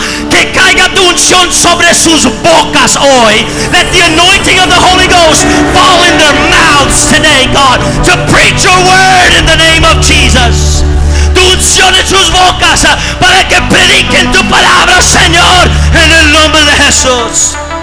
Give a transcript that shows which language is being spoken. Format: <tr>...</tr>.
<es>Que caiga tu unción sobre sus bocas hoy.</es> <en>Let the anointing of the Holy Ghost fall in their mouths today, God, to preach your word in the name of Jesus.</en> <es>Unción en sus bocas para que prediquen tu palabra, Señor, en el nombre de Jesús.</es>